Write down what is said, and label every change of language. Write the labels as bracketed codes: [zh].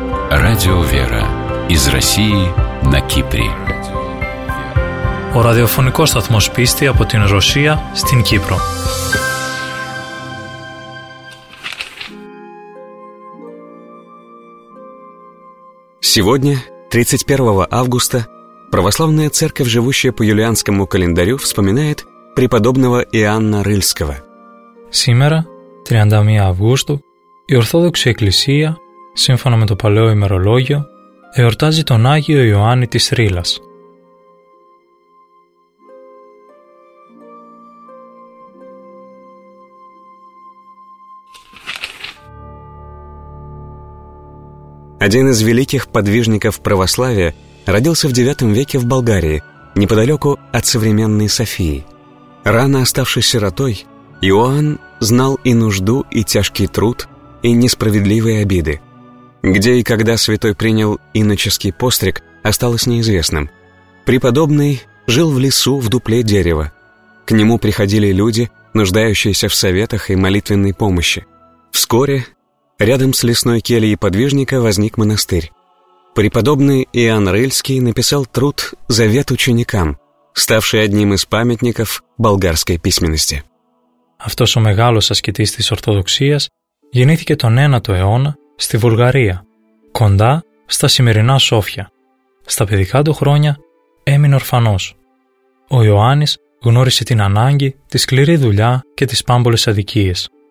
[ru] Радио «Вера» из России на Кипре. [el] Ο ραδιοφωνικός σταθμός πίστη από την Ρωσία στην Κύπρο. [ru] Сегодня, 31 августа, Православная Церковь, живущая по юлианскому календарю, вспоминает преподобного Иоанна Рыльского. Сегодня, 31 августа, [el] η Ορθόδοξη Εκκλησία, σύμφωνα με το παλαιό ημερολόγιο, εορτάζει τον Άγιο Ιωάννη της Ρήλας. [ru] Один из великих подвижников православия родился в IX веке в Болгарии, неподалеку от современной Софии. Рано оставшись сиротой, Иоанн знал и нужду, и тяжкий труд, и несправедливые обиды. Где и когда святой принял иноческий постриг, осталось неизвестным. Преподобный жил в лесу в дупле дерева. К нему приходили люди, нуждающиеся в советах и молитвенной помощи. Вскоре рядом с лесной кельей подвижника возник монастырь. Преподобный Иоанн Рыльский написал труд «Завет ученикам», ставший одним из памятников болгарской письменности. [el] Αυτός ο μεγάλος ασκητής της Ορθοδοξίας γεννήθηκε τον 9ο αιώνα στη Βουλγαρία, κοντά στα σημερινά Σόφια. Στα παιδικά του χρόνια έμεινε ορφανός. Ο Ιωάννης γνώρισε την ανάγκη, τη σκληρή δουλειά και τις πάμπολες αδικίες.